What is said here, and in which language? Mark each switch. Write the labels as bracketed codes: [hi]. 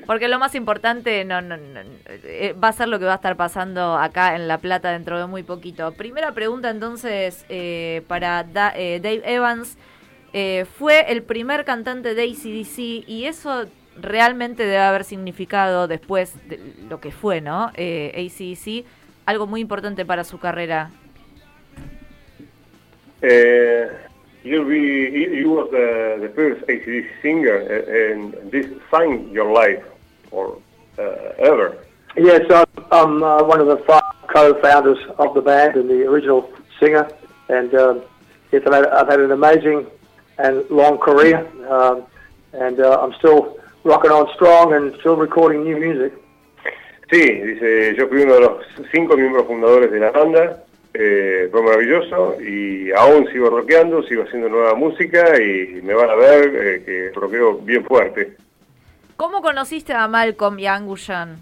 [es] Porque lo más importante no va a ser lo que va a estar pasando acá en La Plata dentro de muy poquito. Primera pregunta entonces para Dane Evans. fue el primer cantante de AC/DC y eso realmente debe haber significado después de lo que fue, ¿no? AC/DC, algo muy importante para su carrera. [en] You was the first AC/DC singer, and this sang your life or ever. Yes, I'm one of the five co-founders of the band and the original singer, and I've had an amazing and long career, and I'm still rocking on strong and still recording new music. [es] Sí, dice, yo fui uno de los cinco miembros fundadores de la banda. Fue maravilloso y aún sigo rockeando, sigo haciendo nueva música y me van a ver que rockeo bien fuerte. ¿Cómo conociste a Malcolm y a Angus Young?